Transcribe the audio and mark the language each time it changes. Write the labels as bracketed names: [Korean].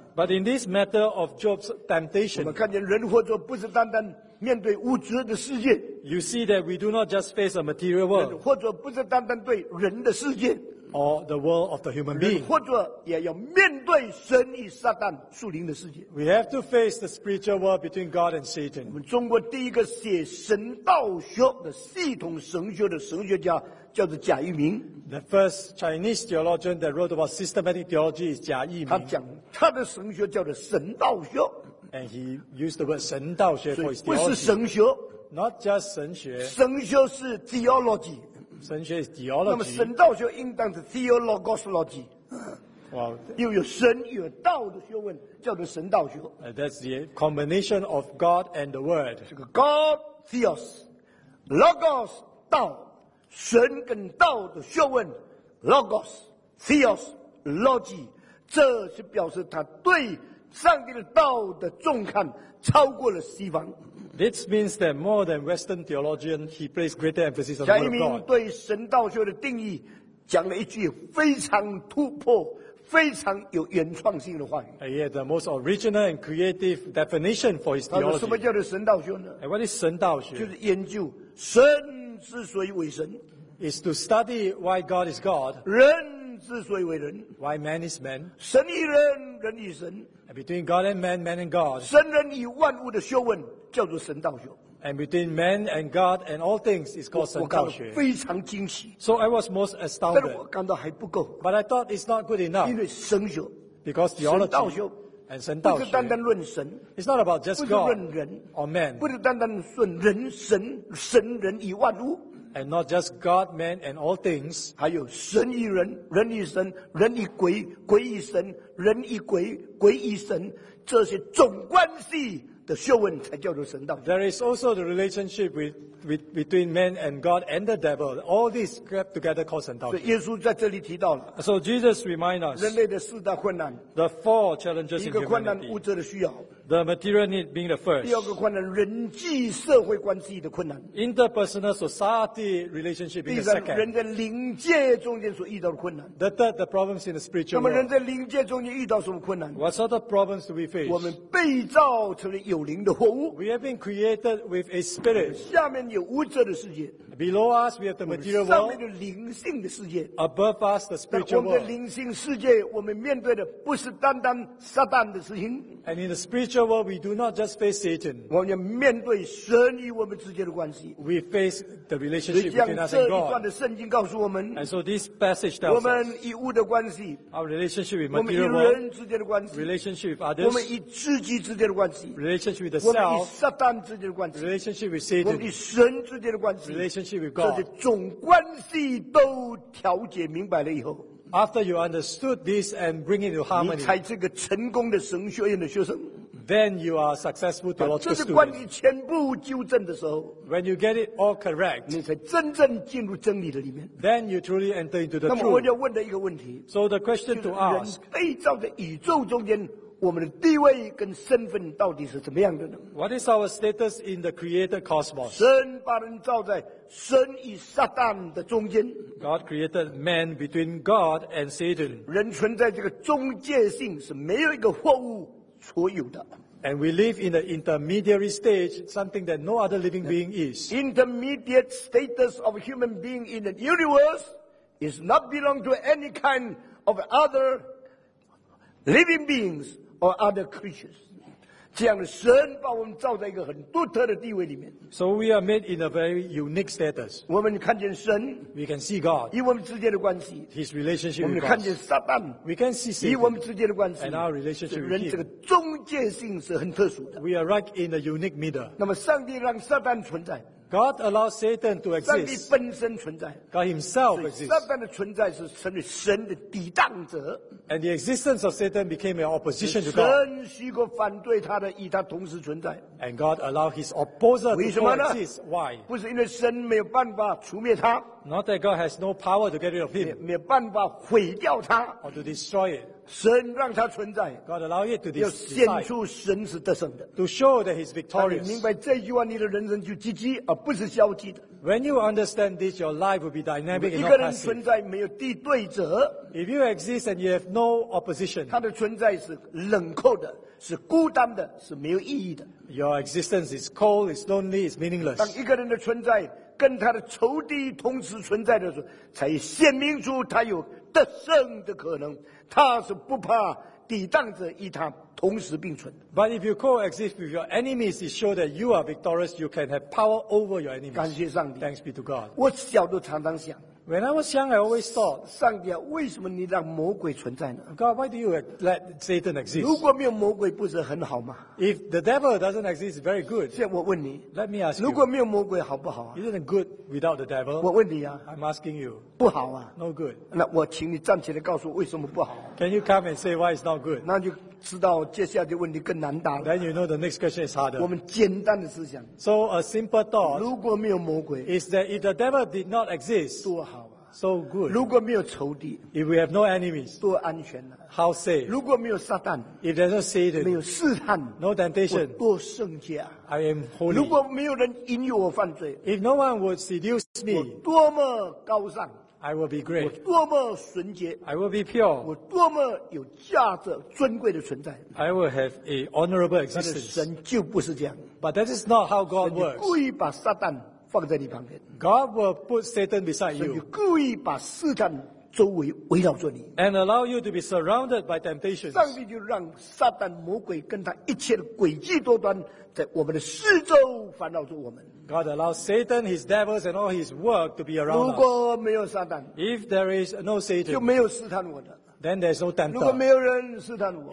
[English] But in this matter of Job's temptation. [Chinese] 我们看见人活着不是单单面对物质的世界。 [English] You see that we do not just face a material world. [Chinese] 或者不是单单对人的世界。 [English] Or the world of the human being. [Chinese] 或者也要面对神与撒旦属灵的世界。 [English] We have to face the spiritual world between God and Satan. [Chinese] 我们中国第一个写神道学的系统神学的神学家叫做贾玉明。 [English] The first Chinese theologian that wrote about systematic theology is 贾玉明。 [Chinese] 他讲他的神学叫做神道学。 [English] And he used the word 神道学 for his theology. [Chinese] 不是神学。 [English] Not just 神学。 [Chinese] 神学是 [English] theology. 神学 is theology. [Chinese] 那么神道学应当是 [English] theologology. 哇、wow, ， [Chinese] 又有神有道的学问，叫做神道学。 [English] That's the combination of God and the Word. [Chinese] 这个 [English] God theos, logos [Chinese] 道，神跟道的学问 ， [English] logos theos logy， [Chinese] 这是表示他对上帝的道的重看超过了西方。 [English] This means that more than Western theologian, he placed greater emphasis on the word of God. [Chinese] 贾一鸣对神道学的定义讲了一句非常突破、非常有原创性的话语。 [English] He had the most original and creative definition for his theology. [Chinese] 什么叫做神道学呢 [English] ？And what is 神道学？ [Chinese] 就是研究神之所以为神。 [English] Is to study why God is God. [Chinese] 人之所以为人。 [English] Why man is man. [Chinese] 神与人，人与神。 [English] Between God and man, man and God. [Chinese] 神人与万物的学问叫做神道学。 [English] And between man and God and all things is called 神道学。 [Chinese] 我感到非常惊奇。 [English] So I was most astounded. [Chinese] 但我感到还不够。 [English] But I thought it's not good enough. [Chinese] 因为神学。 [English] Because theology. [Chinese] 神道学。 [English] And 神道学。 [Chinese] 不是单单论神。 [English] It's not about just God. [Chinese] 不是论人。 [English] Or man. [Chinese] 不是单单论人神，神人与万物。 [English] And not just God, man, and all things. [Chinese] 还有神与人，人与神，人与鬼，鬼与神，人与鬼，鬼与神，这些总关系的学问才叫做神道。 [English] There is also the relationship between man and God and the devil. All these grouped together called 神道。 [Chinese] 所以耶稣在这里提到了。 [English] So Jesus reminds us. [Chinese] 人类的四大困难。 [English] The four challenges in humanity. [Chinese] 一个困难，物质的需要。 [English] The material need being the first. [Chinese] 第二个困难，人际社会关系的困难。 [English] Interpersonal society relationship being the second. [Chinese] 第三，人在灵界中间所遇到的困难。 [English] The third, the problems in the spiritual world. [Chinese] 那么人在灵界中间遇到什么困难 [English] ？What sort of problems do we face? [Chinese] 我们被造成了有灵的活物。 [English] We have been created with a spirit. [Chinese] 下面有物质的世界。 [English] Below us, we have the material world. [Chinese] 上面的灵性的世界。 [English] Above us, the spiritual world. [Chinese] 我们的灵性世界，我们面对的不是单单撒旦的事情。 [English] And in the spiritual sure what we do not just face Satan. [Chinese] 我们面对神与我们之间的关系。 [English] We face the relationship between us and God. [Chinese] 这样这一段的圣经告诉我们。 [English] And so this passage tells us. [Chinese] 我们与物的关系。 [English] Our relationship with material world. [Chinese] 我们与人之间的关系。 [English] Relationship with others. [Chinese] 我们与自己之间的关系。 [English] Relationship with the self. [Chinese] 我们与撒旦之间的关系。 [English] Relationship with Satan. [Chinese] 我们与神之间的关系。 [English] Relationship with God. [Chinese] 这些总关系都调节明白了以后。 [English] After you understood this and bring it to harmony, [Chinese] 你才这个成功的神学院的学生。 [English] Then you are successful theological student. [Chinese] 这是关于全部纠正的时候。 [English] When you get it all correct, [Chinese] 你才真正进入真理的里面。 [English] Then you truly enter into the truth. [Chinese] 那么我要问的一个问题。 [English] So the question to ask. [Chinese] 就是人被造的宇宙中间，我们的地位跟身份到底是怎么样的呢？ [English] What is our status in the created cosmos? [Chinese] 神把人造在神与撒旦的中间。 [English] God created man between God and Satan. [Chinese] 人存在这个中介性是没有一个货物所有的。 [English] And we live in the intermediary stage, something that no other living being is. Intermediate status of a human being in the universe is not belong to any kind of other living beings or other creatures. [Chinese] 这样的神把我们造在一个很独特的地位里面。 [English] So we are made in a very unique status. [Chinese] 我们看见神。 [English] We can see God. [Chinese] 与我们之间的关系。 [English] His relationship with us. [Chinese] 我们看见撒旦。 [English] We can see Satan. [Chinese] 与我们之间的关系。 [English] And our relationship with him. [Chinese] 人这个中介性是很特殊的。 [English] We are right in a unique middle. [Chinese] 那么上帝让撒旦存在。 [English] God allows Satan to exist. [Chinese] 上帝本身存在。 [English] God himself exists. [Chinese] 撒旦的存在是成为神的抵挡者。 [English] And the existence of Satan became an opposition to God. [Chinese] 神许可反对他的与他同时存在。 [English] And God allowed his opposer to exist. Why? [Chinese] 不是因为神没有办法除灭他。 [English] Not that God has no power to get rid of him. [Chinese] 没有办法毁掉他。 [English] Or to destroy it. [Chinese] 神让他存在。 [English] God allowed it to decide. [Chinese] 要显出神是得胜的。 [English] To show that he's victorious. [Chinese] 明白这句话，你的人生就积极而不是消极的。 [English] When you understand this, your life will be dynamic and not passive. [Chinese] 一个人存在没有敌对者。 [English] If you exist and you have no opposition. [Chinese] 他的存在是冷酷的，是孤单的，是没有意义的。 [English] Your existence is cold, is lonely, is meaningless. [Chinese] 当一个人的存在跟他的仇敌同时存在的时候，才显明出他有得胜的可能。他是不怕抵挡者与他同时并存。 [English] But if you coexist with your enemies, it shows that you are victorious. You can have power over your enemies. [Chinese] 感谢上帝。 [English] Thanks be to God. [Chinese] 我小的常常想。 [English] When I was young, I always thought. [Chinese] 上帝啊，为什么你让魔鬼存在呢？ [English] God, why do you let Satan exist? [Chinese] 如果没有魔鬼，不是很好吗？ [English] If the devil doesn't exist, it's very good. [Chinese] 现在我问你。 [English] Let me ask you. [Chinese] 如果没有魔鬼，好不好啊？ [English] Isn't it good without the devil? [Chinese] 我问你啊。 [English] I'm asking you. [Chinese] 不好啊。 [English] No good. [Chinese] 那我请你站起来告诉我为什么不好。 [English] Can you come and say why it's not good? [Chinese] 那就知道接下来的问题更难答了。 [English] Then you know the next question is harder. [Chinese] 我们简单的思想。 [English] So a simple thought. [Chinese] 如果没有魔鬼。 [English] Is that if the devil did not exist. [Chinese] 多好啊。 [English] So good. [Chinese] 如果没有仇敌。 [English] If we have no enemies. [Chinese] 多安全啊。 [English] How safe. [Chinese] 如果没有撒旦。 [English] If there's no Satan. [Chinese] 没有试探。 [English] No temptation. [Chinese] 我多圣洁啊。 [English] I am holy. [Chinese] 如果没有人引诱我犯罪。 [English] If no one would seduce me. [Chinese] 我多么高尚。 [English] I will be great. [Chinese] 我多么纯洁。 [English] I will be pure. [Chinese] 我多么有价值、尊贵的存在。 [English] I will have a honorable existence. [Chinese] 神就不是这样。 [English] But that is not how God works. [Chinese] 神故意把撒旦放在你旁边。 [English] God will put Satan beside you. [Chinese] 神故意把试探周围围绕着你。 [English] And allow you to be surrounded by temptations. [Chinese] 上帝就让撒旦、魔鬼跟他一切的诡计多端，在我们的四周烦扰着我们。 [English] God allows Satan, his devils, and all his work to be around us. [Chinese] 如果没有撒旦， [English] if there is no Satan, [Chinese] 就没有试探我的。 [English] Then there is no tempter. [Chinese] 如果没有人试探我，